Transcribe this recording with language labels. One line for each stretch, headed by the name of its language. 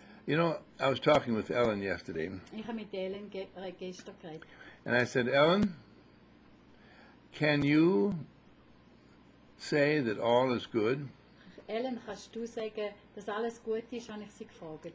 English: You know, I was talking with Ellen yesterday.
German: Ich habe mit Ellen gestern geredet.
English: And I said, Ellen, can you say that all is good?
German: Ellen, kannst du sagen, dass alles gut ist, habe ich sie gefragt.